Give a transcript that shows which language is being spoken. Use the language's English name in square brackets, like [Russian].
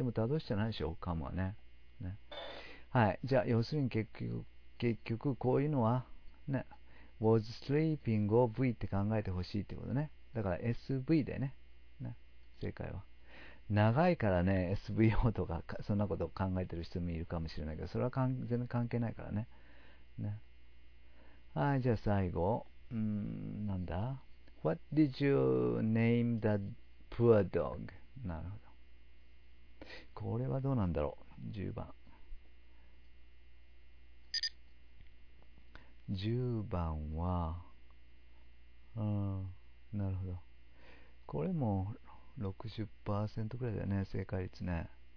[Japanese] でも他動詞じゃないでしょカムは ね。はい、じゃあ要するに結局こういうのはね、 [English] was sleeping [Japanese] を V って考えてほしいってことね。だから SV で ね。正解は長いからね、 SVO とかそんなことを考えてる人もいるかもしれないけど、それは全然関係ないからね。ね、はい、じゃあ最後、なんだ [English] What did you name that poor dog? [Japanese] なるほど、これはどうなんだろう。 10番は、なるほど、これも 60% くらいだよね、正解率ね。